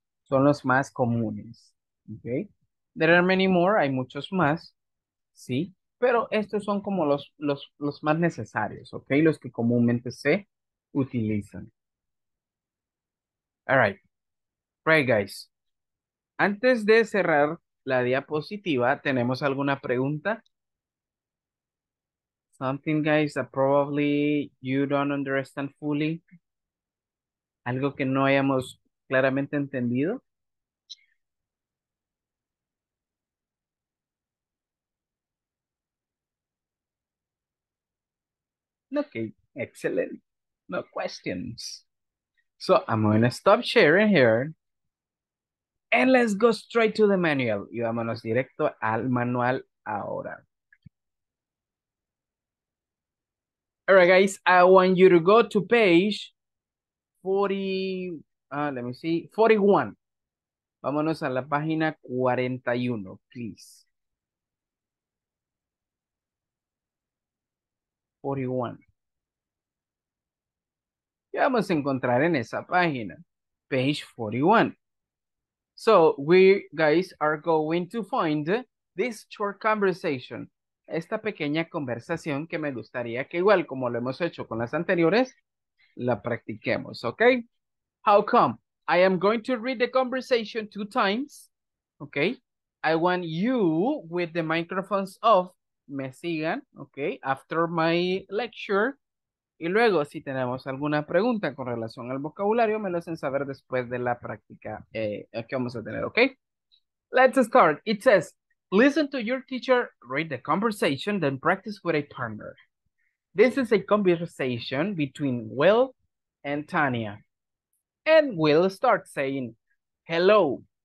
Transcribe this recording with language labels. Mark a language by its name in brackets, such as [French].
[Spanish] Son los más comunes, ok. [English] There are many more, [Spanish] hay muchos más, sí, pero estos son como los más necesarios, ok, los que comúnmente se utilizan. [English] All right. Right, guys. [Spanish] Antes de cerrar la diapositiva, ¿tenemos alguna pregunta? [English] Something, guys, that probably you don't understand fully. [Spanish] Algo que no hayamos claramente entendido. [English] Okay, excellent. No questions. So I'm going to stop sharing here. And let's go straight to the manual. [Spanish] Y vámonos directo al manual ahora. [English] All right, guys, I want you to go to page 41. [Spanish] Vámonos a la página 41, please. 41. Ya vamos a encontrar en esa página, [English] page 41. So, we, guys, are going to find this short conversation. [Spanish] Esta pequeña conversación que me gustaría que igual, como lo hemos hecho con las anteriores, la practiquemos, ¿ok? [English] How come? I am going to read the conversation 2 times, ¿ok? I want you, with the microphones off, [Spanish] me sigan, [English] ¿ok? After my lecture. [Spanish] Y luego, si tenemos alguna pregunta con relación al vocabulario, me lo hacen saber después de la práctica que vamos a tener, ¿ok? [English] Let's start. It says, listen to your teacher, read the conversation, then practice with a partner. This is a conversation between Will and Tania. And Will starts saying, hello.